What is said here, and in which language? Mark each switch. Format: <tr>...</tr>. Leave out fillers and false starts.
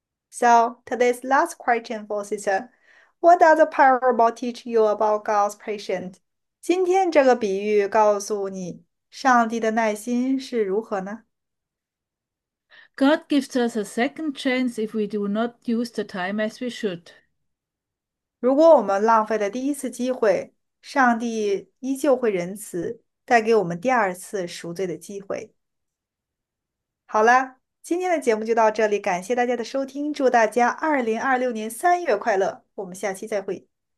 <en>So, today's last question for sister. What does the parable teach you about God's patience?</en> <zh>今天这个比喻告诉你，上帝的耐心是如何呢？</zh> <en>God gives us a second chance if we do not use the time as we should.</en> <zh>如果我们浪费了第一次机会，上帝依旧会仁慈，带给我们第二次赎罪的机会。好了，今天的节目就到这里，感谢大家的收听，祝大家2026年3月快乐！我们下期再会。</zh>